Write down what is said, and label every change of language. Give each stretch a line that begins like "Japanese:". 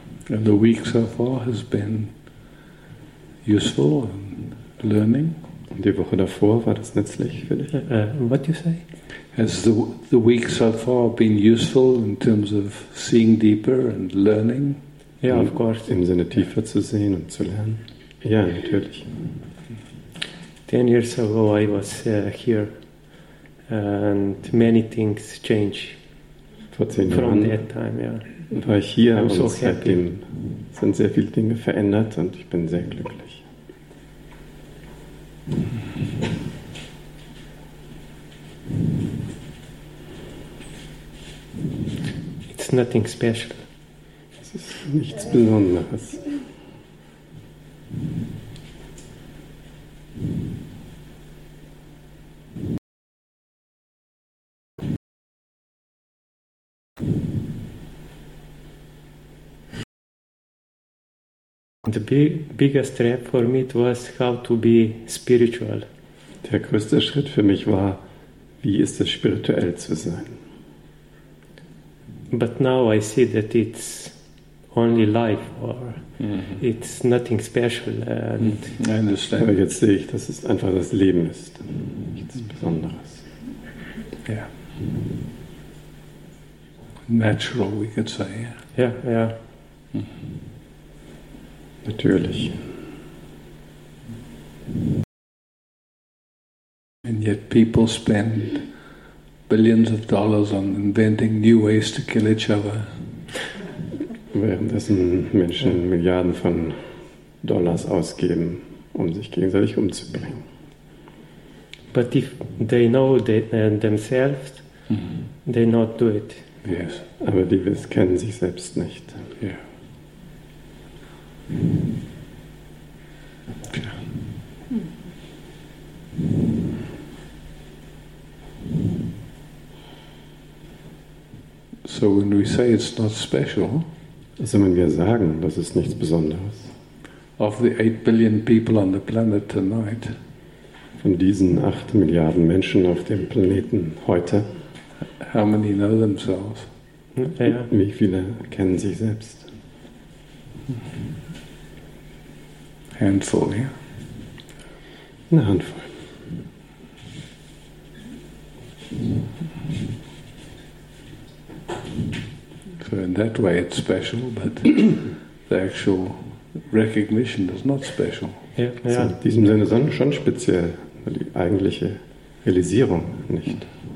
English: And the week so far has been useful and learning.
German: Und die Woche davor war das nützlich für dich?
English: What do you say? Has the week so far been useful in terms of seeing deeper and learning? Yeah, of course.
German: Im Sinne tiefer zu sehen und zu lernen. Ja, natürlich.
English: 10 years ago I was here and many things changed.
German: Vor 10 Jahren.
English: From that time, yeah.
German: War ich hier und seitdem sind sehr viele Dinge verändert und ich bin sehr glücklich.
English: It's nothing special.
German: Es ist nichts Besonderes.
English: The biggest step for me was how to be spiritual.
German: Der größte Schritt für mich war, wie ist es spirituell zu sein?
English: But now I see that it's only life or it's nothing special and I understand.
German: Aber jetzt sehe ich, dass es einfach das Leben ist. Nichts Besonderes.
English: Yeah. Natural, we could say. Yeah.
German: Natürlich.
English: And yet people spend billions of dollars on inventing new ways to kill each other.
German: Währenddessen Menschen Milliarden von Dollars ausgeben, um sich gegenseitig umzubringen.
English: But if they know themselves, they not do it. Yes.
German: Aber die kennen sich selbst nicht.
English: Yeah. Thank you. So when we say it's not special,
German: also wenn wir sagen, das ist nichts Besonderes,
English: of the 8 billion people on the planet tonight,
German: von diesen 8 Milliarden Menschen auf dem Planeten heute,
English: how many know themselves?
German: Wie viele kennen sich selbst?
English: Handful, ja. Yeah.
German: Eine Handvoll.
English: So in that way it's special, but the actual recognition is not special.
German: Ja, in diesem Sinne ist es schon speziell, die eigentliche Realisierung nicht.